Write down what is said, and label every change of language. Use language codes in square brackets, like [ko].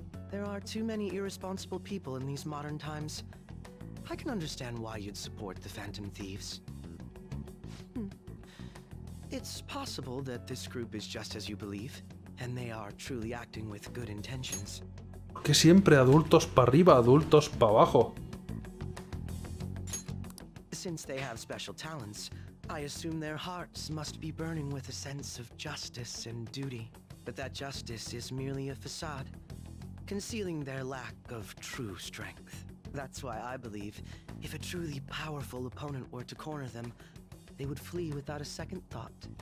[en] There are too many irresponsible people in these modern times. I can understand why you'd support the Phantom Thieves. It's possible that this group is just as you believe, and they are truly acting with good intentions. [es] Que siempre adultos para arriba, adultos para abajo. [en] Since they have special talents, I assume their hearts must be burning with a sense of justice and duty. But that justice is merely a facade, concealing their lack of true strength. That's why I believe if a truly powerful opponent were to corner them, they would flee without a second thought.